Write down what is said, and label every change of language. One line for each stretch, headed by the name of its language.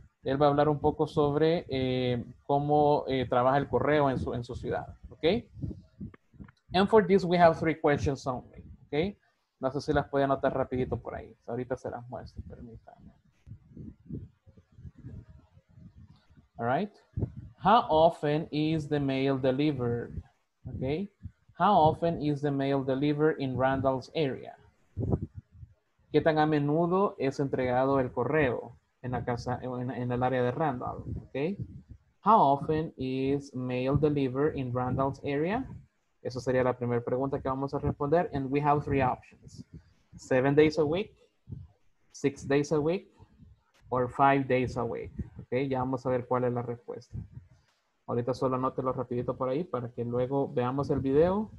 Spanish: Él va a hablar un poco sobre cómo trabaja el correo en su ciudad, okay?
English: And for this, we have three questions only, okay?
Spanish: No sé si las puede anotar rapidito por ahí. Ahorita se las muestro, permítanme.
English: All right. How often is the mail delivered? Okay. How often is the mail delivered in Randall's area?
Spanish: ¿Qué tan a menudo es entregado el correo en la casa, en el área de Randall?
English: Okay. How often is mail delivered in Randall's area?
Spanish: Esa sería la primera pregunta que vamos a responder.
English: And we have three options. 7 days a week, 6 days a week, or 5 days a week. Okay.
Spanish: Ya vamos a ver cuál es la respuesta. Ahorita solo anótelo rapidito por ahí para que luego veamos el video.